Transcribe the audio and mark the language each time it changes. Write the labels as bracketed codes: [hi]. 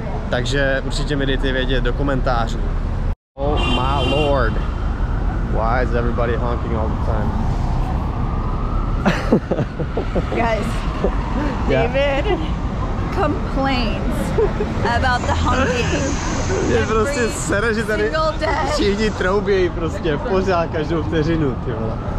[cs] Takže určitě mi dejte vědět do komentářů. [en] Oh my lord! Why is everybody honking all the time? Guys, David complains about the honking. [cs] Je prostě sere, že tady všichni troubějí prostě pořád každou vteřinu, ty vole.